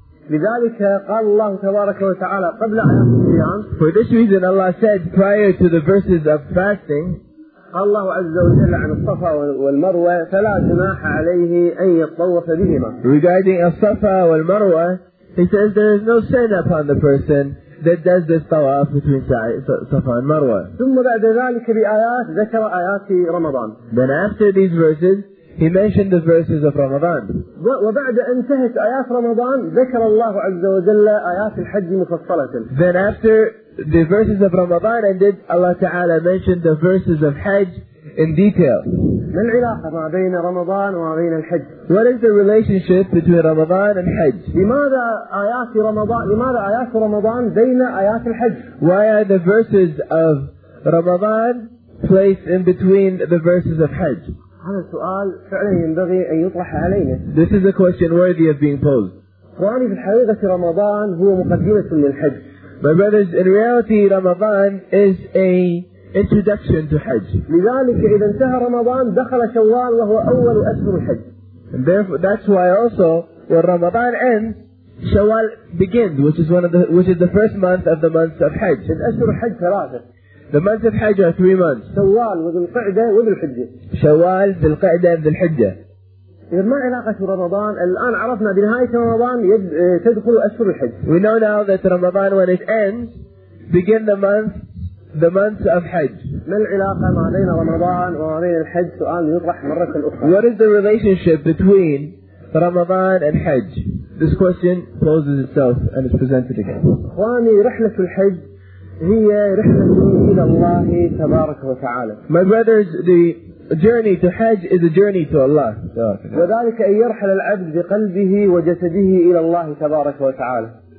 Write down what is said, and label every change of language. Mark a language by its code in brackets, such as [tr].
[ar] لذلك قال الله تبارك وتعالى قبل آيات الصيام. [en] For this reason, Allah said prior to the verses of fasting. [ar] الله عز وجل عن الصفا والمروة فلا جناح عليه أن يطوف بهما. [en] Regarding الصفا والمروة, he says there is no sin upon the person that does this tawaf between صفا والمروة. [ar] ثم بعد ذلك بآيات ذكر آيات رمضان. [en] Then after these verses, he mentioned the verses of Ramadan. [ar] وبعد أن انتهت آيات رمضان ذكر الله عز وجل آيات الحج مفصلة. [en] Then after the verses of Ramadan ended, Allah Ta'ala mentioned the verses of Hajj in detail. [ar] ما العلاقة ما بين رمضان وما بين الحج? [en] What is the relationship between Ramadan and Hajj? [ar] لماذا آيات رمضان بين آيات الحج? [en] Why are the verses of Ramadan placed in between the verses of Hajj? [ar] هذا سؤال فعلا ينبغي أن يطرح علينا. [en] This is a question worthy of being posed. [ar] قراني في الحقيقة رمضان هو مقدمة للحج. [en] My brothers, in reality, Ramadan is an introduction to Hajj. [ar] لذلك إذا انتهى رمضان دخل شوال وهو أول أشهر الحج. [en] And therefore, that's why also when Ramadan ends, Shawwal begins, which is the first month of the month of Hajj. [ar] الأشهر الحج ثلاثة. [en] The month of Hajj are 3 months. [ar] شوال وذو القعدة وذو الحجة. شوال ذو القعدة ذو الحجة. إذا ما علاقة رمضان الآن عرفنا بنهاية رمضان تدخل أشهر الحج. [en] We know now that Ramadan when it ends begin the month of Hajj. [ar] ما العلاقة ما بين رمضان وما بين الحج سؤال يطرح مرة أخرى. [en] What is the relationship between Ramadan and Hajj? This question poses itself and is presented again. [ar] إخواني رحلة الحج هي رحلة إلى الله تبارك وتعالى. [en] My brothers, the journey to Hajj is a journey to Allah. [ar] وذلك أن يرحل العبد بقلبه وجسده إلى الله تبارك وتعالى.